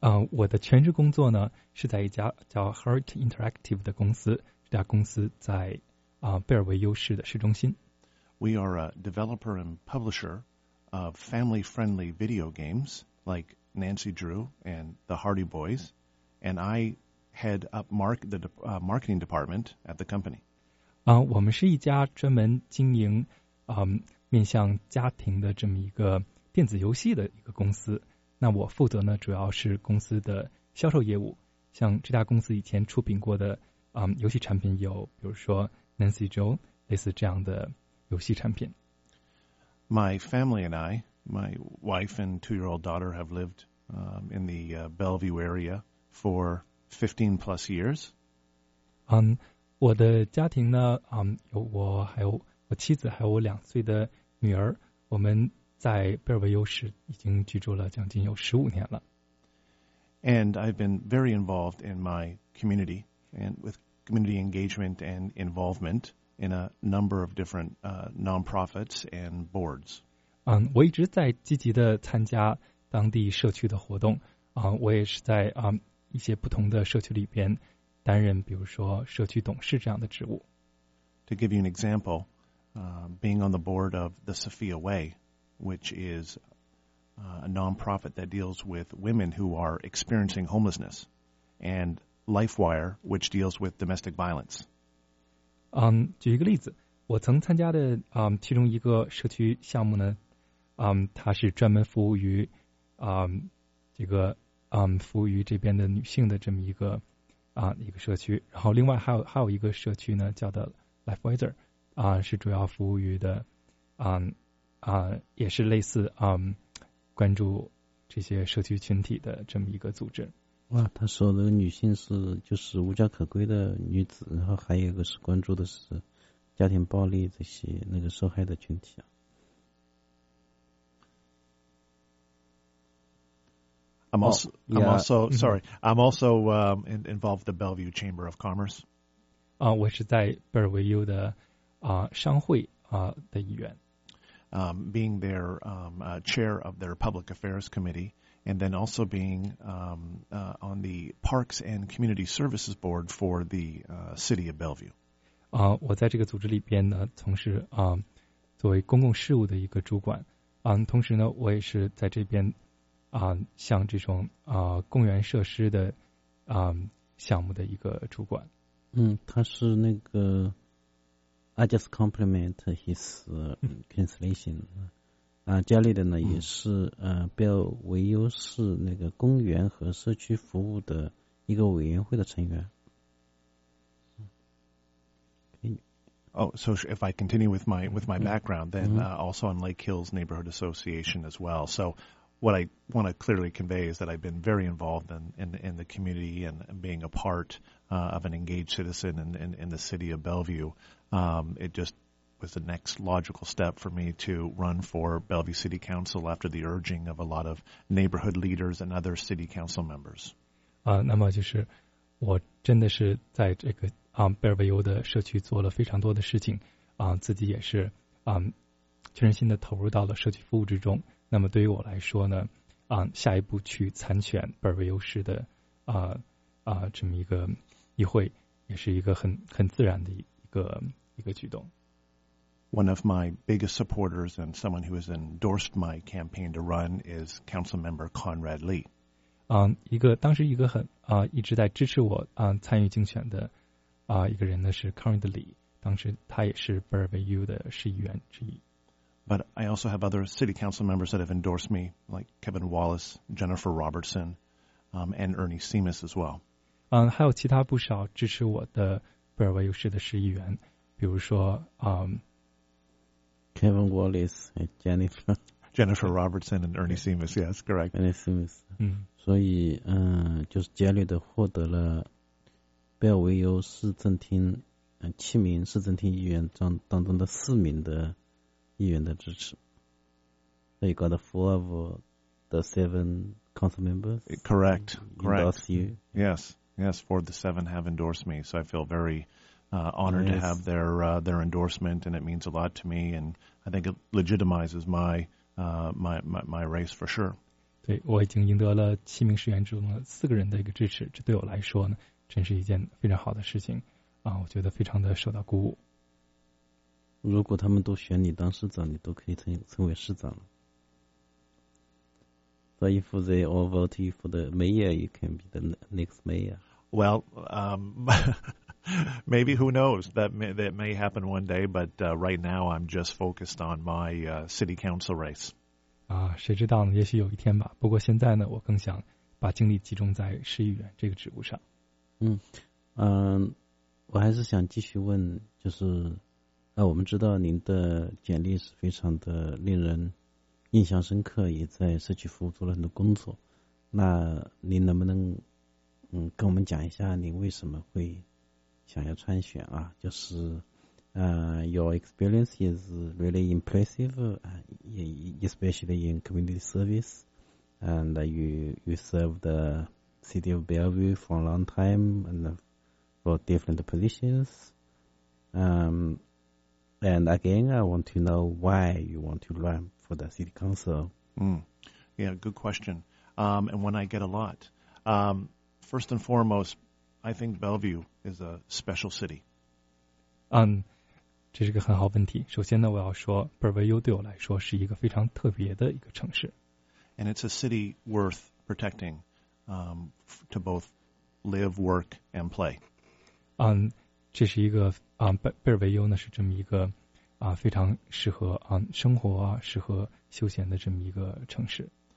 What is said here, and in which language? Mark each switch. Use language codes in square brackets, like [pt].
[zh] 我的全职工作呢是在一家叫 Heart Interactive 的公司，这家公司在贝尔维优市的市中心。 [en] We are a developer and publisher of family-friendly video games like Nancy Drew and The Hardy Boys, and I head up marketing department at the company. [zh] 我们是一家专门经营面向家庭的这么一个电子游戏的一个公司，那我负责呢主要是公司的销售业务，像这家公司以前出品过的游戏产品有比如说 Nancy Drew 类似这样的游戏产品。 [en] My family and I, my wife and two-year-old daughter have lived in the Bellevue area for 15 plus years. [zh] 我的家庭呢有我还有我妻子还有我两岁的女儿，我们在贝尔维优市已经居住了将近有15年了。 [en] And I've been very involved in my community and with community engagement and involvement in a number of different nonprofits and boards. [zh] 我一直在积极的参加当地社区的活动。我也是在一些不同的社区里边担任，比如说社区董事这样的职务。 [en] To give you an example, being on the board of the Sophia Way. Which is a nonprofit that deals with women who are experiencing homelessness, and LifeWire, which deals with domestic violence. [zh] 举一个例子，我曾参加的其中一个社区项目呢，它是专门服务于服务于这边的女性的这么一个社区。然后另外还有一个社区呢，叫的 LifeWire 是主要服务于的也是类似关注这些社区群体的这么一个组织。哇，他说的女性是就是无家可归的女子，然后还有一个是关注的是家庭暴力这些那个受害的群体啊。 [en] I'm also involved the Bellevue Chamber of Commerce. [zh] 我是在贝尔维优的商会的议员。 [en] Being their chair of their public affairs committee, and then also being on the Parks and Community Services Board for the city of Bellevue. [zh] 我在这个组织里边呢，从事作为公共事务的一个主管。同时呢，我也是在这边像这种公园设施的项目的一个主管。他是那个。 [en] I just compliment his cancellation. [zh] Jared 呢也是Bellevue 市那个公园和社区服务的一个委员会的成员。 [en] So if I continue with my background, then also on Lake Hills Neighborhood Association as well. So what I want to clearly convey is that I've been very involved in the community and being a part of an engaged citizen in the city of Bellevue. It just was the next logical step for me to run for Bellevue City Council after the urging of a lot of neighborhood leaders and other city council members. [zh] 那么就是我真的是在这个贝尔维尤的社区做了非常多的事情，自己也是全身心的投入到了社区服务之中。那么对于我来说呢，下一步去参选贝尔维尤市的这么一个议会，也是一个很自然的一个举动。 [en] One of my biggest supporters and someone who has endorsed my campaign to run is Councilmember Conrad Lee. [zh] 一个当时一个很一直在支持我参与竞选的一个人呢是 Conrad Lee， 当时他也是 Bellevue 的市议员之一。 [en] But I also have other city council members that have endorsed me, like Kevin Wallace, Jennifer Robertson, and Ernie Seamus as well. [zh] 还有其他不少支持我的贝尔维尤市的市议员，比如说 [en] Kevin Wallace and Jennifer Robertson and Ernie Seamus. Yes, correct. Ernie Seamus. [zh] 所以就是接力的获得了贝尔维尤市政厅七名市政厅议员当中的四名的议员的支持。 [en] So you got four of the seven council members. Correct. Correct. Endorse you. Yes. Yes. Four of the seven have endorsed me. So I feel very honored to have their endorsement, and it means a lot to me. And I think it legitimizes my race for sure. [zh] 对，我已经赢得了七名市议员中的四个人的一个支持，这对我来说呢，真是一件非常好的事情我觉得非常的受到鼓舞。如果他们都选你当市长，你都可以成为市长了。 [en] So if they all vote you for the mayor, you can be the next mayor. Well, maybe, who knows? That may happen one day, but right now I'm just focused on my city council race. [zh] 谁知道呢？也许有一天吧。不过现在呢，我更想把精力集中在市议员这个职务上。我还是想继续问，就是。我们知道您的简历是非常的令人印象深刻，也在社区服务做了很多工作。那您能不能跟我们讲一下您为什么会想要参选啊？就是 [en] your experience is really impressive, especially in community service, and you served the city of Bellevue for a long time and for different positions. And again, I want to know why you want to run for the city council. Yeah, good question. And when I get a lot. First and foremost, I think Bellevue is a special city. [zh] 这是个很好问题。首先呢，我要说，贝尔维尤对我来说是一个非常特别的一个城市。 [en] And it's a city worth protecting, to both live, work, and play. [zh] 这是一个贝尔维尤呢是这么一个非常适合生活啊，适合休闲的这么一个城市。